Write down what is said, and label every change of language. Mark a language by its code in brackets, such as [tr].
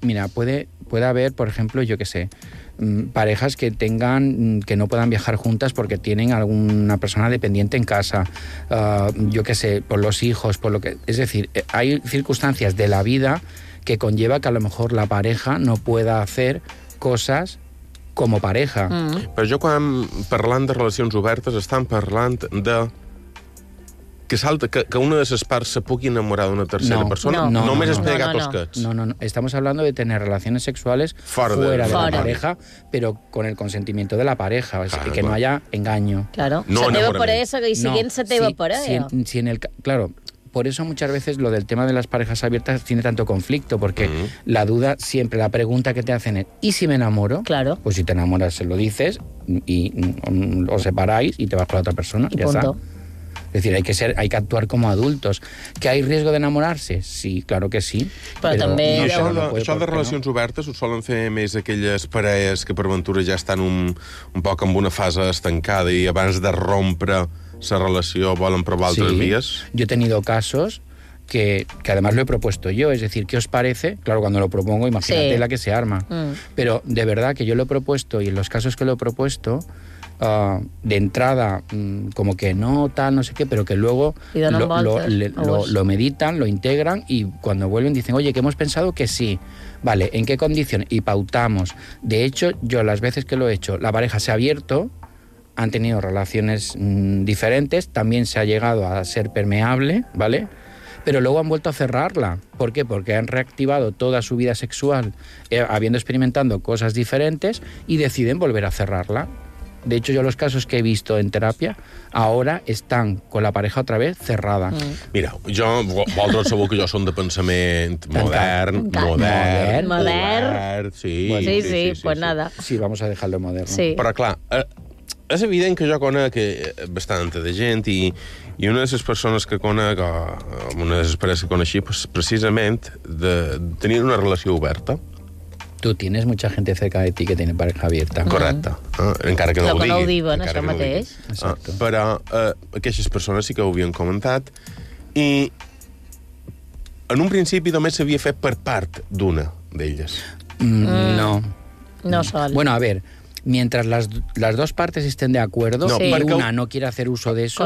[es] Mira, puede haber, por ejemplo, yo qué sé, parejas que tengan... que no puedan viajar juntas porque tienen alguna persona dependiente en casa. Yo qué sé, por los hijos, por lo que... Es decir, hay circunstancias de la vida que conlleva que a lo mejor la pareja no pueda hacer cosas como pareja. Mm. [ca] Però jo quan parlant de relacions obertes estan parlant de que salta que una de les parts se pugui enamorar d'una tercera persona. No. [es] Estamos hablando de tener relaciones sexuales fuera de la pareja, pero con el consentimiento de la pareja, que no haya engaño. Claro. No se teva por eso, que siguen se teva por eso. Si en el... Claro. Por eso muchas veces lo del tema de las parejas abiertas tiene tanto conflicto, porque la duda siempre, la pregunta que te hacen es ¿y si me enamoro? Claro. Pues si te enamoras se lo dices y os separáis y te vas con la otra persona. Y ya punto. Está. Es decir, hay que actuar como adultos. ¿Que hay riesgo d'enamorar-se? Sí, claro que sí. [ca] Però també... No, això no, això de relacions obertes ho solen fer més aquelles parelles que per aventura ja estan un poc en una fase estancada i abans de rompre la relació volen provar altres vies? [es] Sí, yo he tenido casos que además lo he propuesto yo, es decir, ¿qué os parece? Claro, cuando lo propongo, imagínate la que se arma. Mm. Pero de verdad que yo lo he propuesto y en los casos que lo he propuesto... de entrada como que no tal, no sé qué, pero que luego lo meditan, lo integran y cuando vuelven dicen, oye, que hemos pensado que sí, vale, ¿en qué condición? Y pautamos. De hecho, yo las veces que lo he hecho, la pareja se ha abierto, han tenido relaciones diferentes, también se ha llegado a ser permeable, ¿vale? Pero luego han vuelto a cerrarla. ¿Por qué? Porque han reactivado toda su vida sexual habiendo experimentado cosas diferentes y deciden volver a cerrarla. De hecho, yo los casos que he visto en terapia ahora están con la pareja otra vez cerrada. Mm. [ca] Mira, jo, vosaltres sabeu que jo som de pensament modern, modern. Sí, [es] pues nada. Sí, vamos a dejarlo moderno. Sí. [ca] Però clar, és evident que jo conec bastant de gent i una de les persones que conec, una de les parelles que coneixi, pues, precisament de tenir una relació oberta. [es] Tú tienes mucha gente cerca de ti que tiene pareja abierta. [ca] Correcte. Encara que no lo ho digui. Lo que no ho diuen, això mateix. Exacte. Però aquestes persones sí que ho havien comentat. I en un principi només s'havia fet per part d'una d'elles. No. No sol. [es] Bueno, a ver, mientras las dos partes estén de acuerdo no, sí. Una no quiera hacer uso de eso...